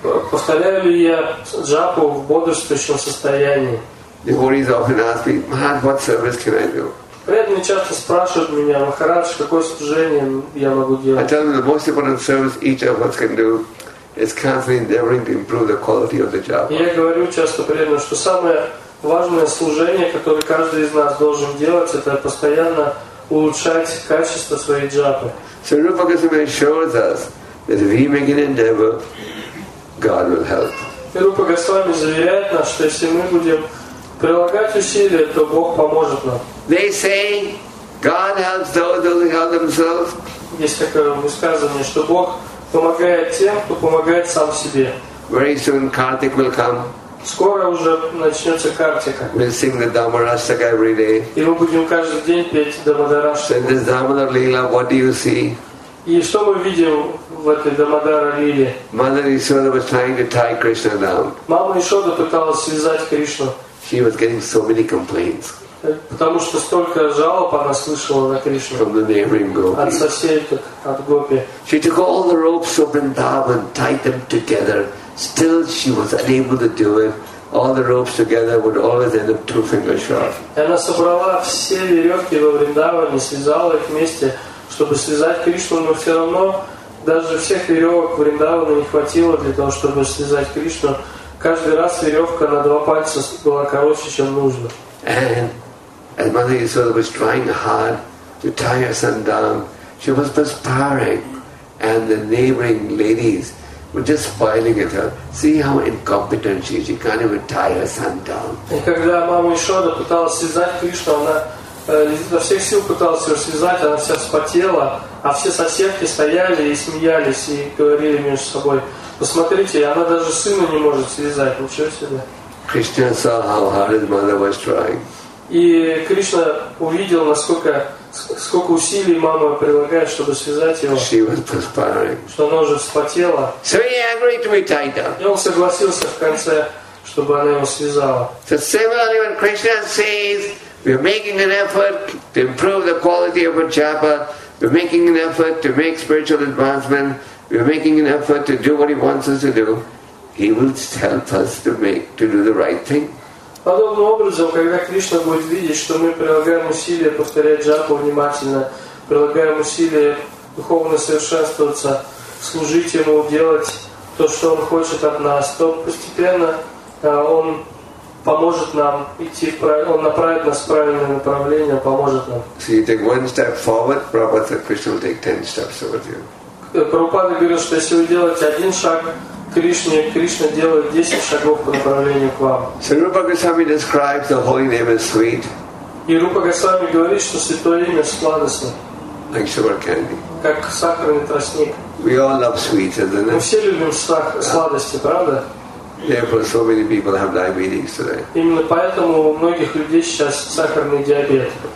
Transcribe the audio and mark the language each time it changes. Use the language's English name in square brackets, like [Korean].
[Russian] Повторяю ли я джапу в бодрствующем состоянии? [English] Devotees often ask me, Maharaj, what service can I do? [Russian] Преданные часто спрашивают меня, Махарадж, какое служение я могу делать? [English] I tell them the most important service each of us can do is constantly endeavoring to improve the quality of the japa. [Russian] Я говорю часто преданным, что самое важное служение, которое каждый из нас должен делать, это постоянно улучшать качество своей джапы. [English] So Rupa Goswami assures us that if we make an endeavor, God will help. [Russian] Rupa Goswami заверяет нас, что если мы будем прилагать усилия, то Бог поможет нам. [English] They say God helps those who help themselves. [Russian] Есть такое высказывание, что Бог помогает тем, кто помогает сам себе. [English] Very soon Kartik will come. [Russian] Скоро уже начнется Картика. [English] We'll sing the Dhammarashtaka every day. [Russian] И мы будем каждый день петь Дамодараштаку. [English] In this Dhammadhara Leela, what do you see? [Russian] И что мы видим в этой Дамодара Лиле? [English] Mother Yashoda was trying to tie Krishna down. [Russian] Мама Ишода пыталась связать Кришну. [English] She was getting so many complaints. [Russian] Потому что столько жалоб она слышала на Кришну. [English] From the neighboring gopis. [Russian] От соседок, от гопи. [English] She took all the ropes of Vrindavan, tied them together. Still, she was unable to do it. All the ropes together would always end up 2 fingers short. [Russian] Она собрала все веревки во Вриндаване, связала их вместе, чтобы связать Кришну, но все равно даже всех веревок Вриндавана не хватило для того, чтобы связать Кришну. Каждый раз веревка на 2 пальца была короче, чем нужно. [English] And Mother Yashoda was trying hard to tie her son down. She was perspiring, and the neighboring ladies were just smiling at her. See how incompetent she is. She can't even tie her son down. And [Russian] когда мама Ишода пыталась связать Кришну, она изо всех сил пыталась его связать, она вся вспотела, а все соседки стояли и смеялись и говорили между собой: посмотрите, она даже сына не может связать, ничего себе. [English] Krishna saw how hard his mother was trying. [Russian] И Кришна увидел, сколько усилий мама прилагает, чтобы связать его. [English] She was perspiring. [Russian] Что она уже вспотела. [English] So he agreed to be tied up. [Russian] И он согласился в конце, чтобы она его связала. [English] So similarly, when Krishna says, we are making an effort to improve the quality of our japa, we are making an effort to make spiritual advancement, we are making an effort to do what he wants us to do, he will help us to do the right thing. [Russian] Подобным образом, когда Кришна будет видеть, что мы прилагаем усилия повторять джапу внимательно, прилагаем усилия духовно совершенствоваться, служить ему, делать то, что он хочет от нас, то постепенно он поможет нам идти, он направит нас в правильное направление, поможет нам. [English] So you take 1 step forward, Prabhupada, Krishna will take 10 steps towards you. [Russian] Прабхупада говорит, что если вы делаете 1 шаг, Кришна делает 10 шагов по направлению к вам. [English] So Rupa Goswami describes the holy name as sweet. [Russian] И Рупа Госвами говорит, что святое имя сладостно. [English] Like sugar candy. [Russian] Как сахарный тростник. [English] We all love sweets, isn't it? [Russian] Мы все любим сладости, правда? [English] Therefore, so many people have diabetes today. [Russian] Именно поэтому у многих людей сейчас сахарный диабет.